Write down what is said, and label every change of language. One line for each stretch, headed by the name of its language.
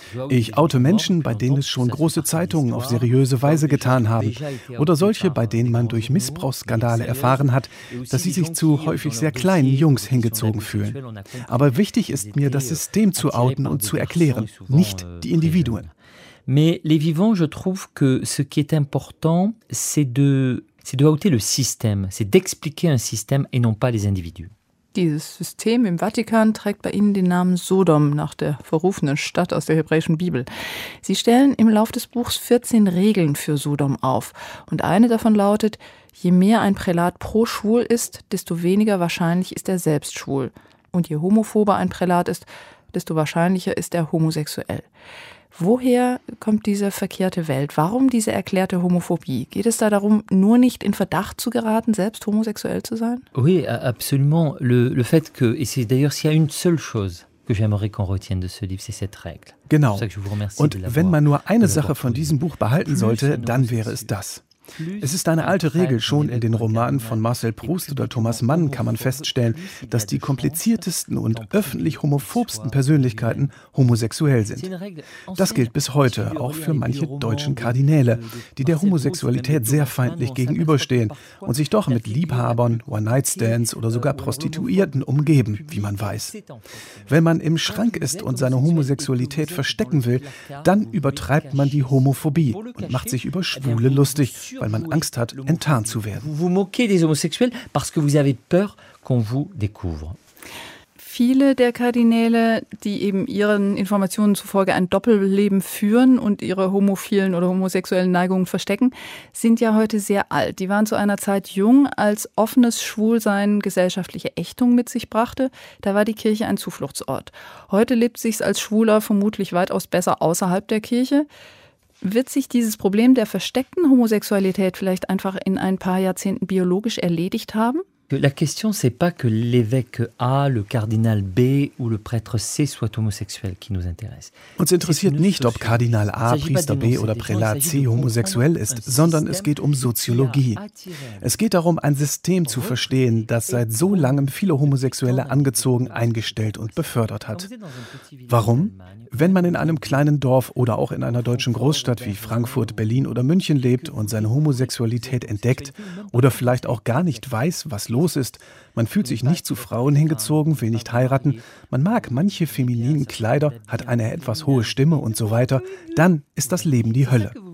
German: Ich oute Menschen, bei denen es schon große Zeitungen auf seriöse Weise getan haben, oder solche, bei denen man durch Missbrauchsskandale erfahren hat, dass sie sich zu häufig sehr kleinen Jungs hingezogen fühlen. Aber wichtig ist mir, das System zu outen und zu erklären, nicht die Individuen.
French: Mais les vivants, je trouve que ce qui est important, c'est de outer le système, c'est d'expliquer un système et non pas les individus.
German: Dieses System im Vatikan trägt bei Ihnen den Namen Sodom, nach der verrufenen Stadt aus der hebräischen Bibel. Sie stellen im Lauf des Buchs 14 Regeln für Sodom auf. Und eine davon lautet, je mehr ein Prälat pro-schwul ist, desto weniger wahrscheinlich ist er selbst schwul. Und je homophober ein Prälat ist, desto wahrscheinlicher ist er homosexuell. Woher kommt diese verkehrte Welt? Warum diese erklärte Homophobie? Geht es da darum, nur nicht in Verdacht zu geraten, selbst homosexuell zu sein?
French: Oui, absolument. Le fait que, et c'est d'ailleurs s'il y a une seule chose que j'aimerais qu'on retienne de ce livre, c'est cette règle.
German: Genau. Und wenn man nur eine Sache von diesem Buch behalten sollte, dann wäre es das. Es ist eine alte Regel, schon in den Romanen von Marcel Proust oder Thomas Mann kann man feststellen, dass die kompliziertesten und öffentlich homophobsten Persönlichkeiten homosexuell sind. Das gilt bis heute, auch für manche deutschen Kardinäle, die der Homosexualität sehr feindlich gegenüberstehen und sich doch mit Liebhabern, One-Night-Stands oder sogar Prostituierten umgeben, wie man weiß. Wenn man im Schrank ist und seine Homosexualität verstecken will, dann übertreibt man die Homophobie und macht sich über Schwule lustig, weil man Angst hat, enttarnt zu werden.
French: Vous moquez des homosexuels parce que vous avez peur qu'on vous découvre.
German: Viele der Kardinäle, die eben ihren Informationen zufolge ein Doppelleben führen und ihre homophilen oder homosexuellen Neigungen verstecken, sind ja heute sehr alt. Die waren zu einer Zeit jung, als offenes Schwulsein gesellschaftliche Ächtung mit sich brachte. Da war die Kirche ein Zufluchtsort. Heute lebt sich's als Schwuler vermutlich weitaus besser außerhalb der Kirche. Wird sich dieses Problem der versteckten Homosexualität vielleicht einfach in ein paar Jahrzehnten biologisch erledigt haben?
French: La question, c'est pas que l'évêque A, le cardinal B ou le prêtre C soit homosexuel qui nous intéresse.
German: Uns interessiert nicht, ob Kardinal A, Priester B oder Prälat C homosexuell ist, sondern es geht um Soziologie. Es geht darum, ein System zu verstehen, das seit so langem viele Homosexuelle angezogen, eingestellt und befördert hat. Warum? Wenn man in einem kleinen Dorf oder auch in einer deutschen Großstadt wie Frankfurt, Berlin oder München lebt und seine Homosexualität entdeckt oder vielleicht auch gar nicht weiß, was los ist, man fühlt sich nicht zu Frauen hingezogen, will nicht heiraten, man mag manche femininen Kleider, hat eine etwas hohe Stimme und so weiter, dann ist das Leben die Hölle.